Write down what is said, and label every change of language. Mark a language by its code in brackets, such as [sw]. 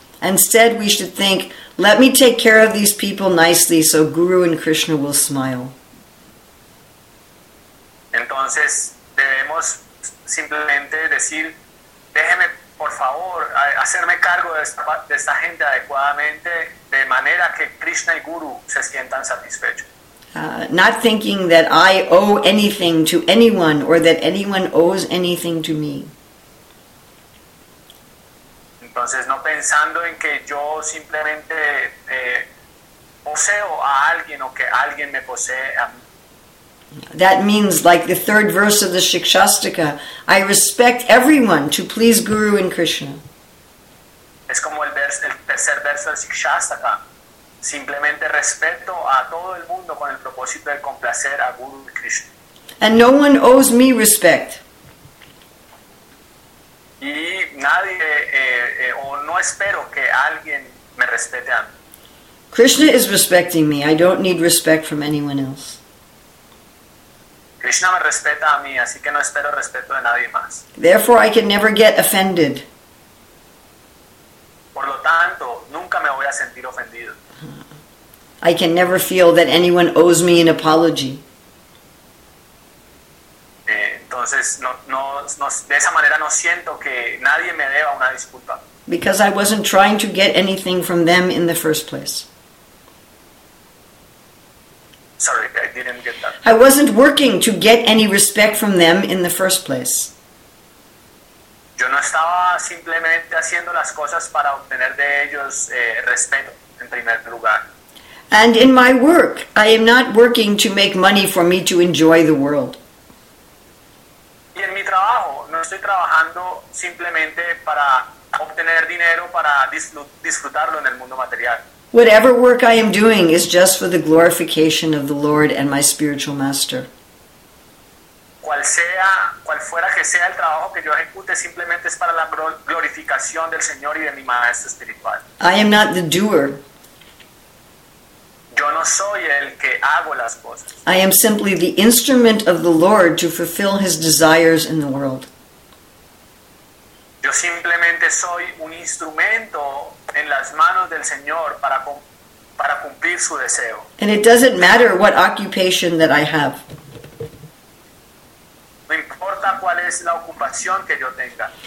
[en] Instead, we should think, let me take care of these people nicely so Guru and Krishna will smile. [es] Entonces, debemos simplemente decir, déjeme, por favor, hacerme cargo de esta gente adecuadamente de manera que Krishna y Guru se sientan satisfechos. [en] Not thinking that I owe anything to anyone or that anyone owes anything to me. [es] Entonces, no pensando en que yo simplemente poseo a alguien o que alguien me posee a mí. [en] That means, like the third verse of the Shikshastika, I respect everyone to please Guru and Krishna. [es] Es como el tercer verso del Shikshastika. Simplemente respeto a todo el mundo con el propósito de complacer a Guru y Krishna. [en] And no one owes me respect. [es] Y nadie, o no espero que alguien me respete a mí. [en] Krishna is respecting me. I don't need respect from anyone else. [es] Krishna me respeta a mí, así que no espero respeto de nadie más. [en] Therefore, I can never get offended. [es] Por lo tanto, nunca me voy a sentir ofendido. [en] I can never feel that anyone owes me an apology. [es] Entonces, no, de esa manera no siento que nadie me deba una disculpa. [en] Because I wasn't trying to get anything from them in the first place. Sorry, I didn't get that. I wasn't working to get any respect from them in the first place. [es] Yo no estaba simplemente haciendo las cosas para obtener de ellos respeto en primer lugar. [en] And in my work, I am not working to make money for me to enjoy the world. [es] Y en mi trabajo, no estoy trabajando simplemente para obtener dinero para disfrutarlo en el mundo material. [en] Whatever work I am doing is just for the glorification of the Lord and my spiritual master. [es] Cual fuera que sea el trabajo que yo ejecute, simplemente es para la glorificación del Señor y de mi maestro espiritual. [en] I am not the doer. [es] Yo no soy el que hago las cosas. [en] I am simply the instrument of the Lord to fulfill his desires in the world. [es] Yo simplemente soy un instrumento en las manos del Señor para cumplir su deseo. [en] And it doesn't matter what occupation that I have. [es] No importa cuál es la ocupación que yo tenga.